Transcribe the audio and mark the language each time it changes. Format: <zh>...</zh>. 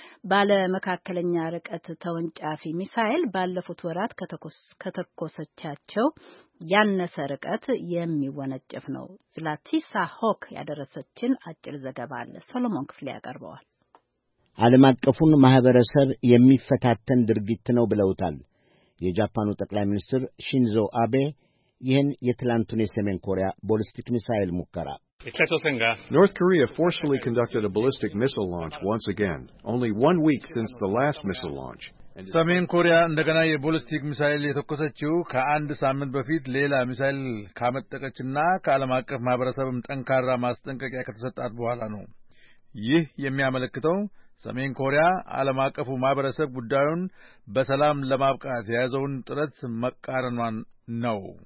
<am>ባለመካከለኛ ርቀት ተወንጫፊ ሚሳኤል ባለፉት ወራት ከተኮሰቻቸው ያነሰ ርቀት የሚወነጨፍ ነው። ዝላቲሳ ሆክ ያደረሰችን አጭር ዘገባ አለ፣ ሰሎሞን ክፍሌ ያቀርበዋል። ዓለም አቀፉን ማህበረሰብ የሚፈታተን ድርጊት ነው ብለውታል የጃፓኑ ጠቅላይ ሚኒስትር ሺንዞ አቤ ይህን የትላንቱን የሰሜን ኮሪያ ቦሊስቲክ ሚሳኤል ሙከራ።</am> <en>North Korea forcefully conducted a ballistic missile launch once again, only one week since the last missile launch.</en> <am>ሰሜን ኮሪያ እንደገና የቦሊስቲክ ሚሳኤል የተኮሰችው ከአንድ ሳምንት በፊት ሌላ ሚሳኤል ካመጠቀችና ከዓለም አቀፍ ማህበረሰብም ጠንካራ ማስጠንቀቂያ ከተሰጣት በኋላ ነው። ይህ የሚያመለክተው ሰሜን ኮሪያ ዓለም አቀፉ ማህበረሰብ ጉዳዩን በሰላም ለማብቃት ያዘውን ጥረት መቃረኗን ነው።</am>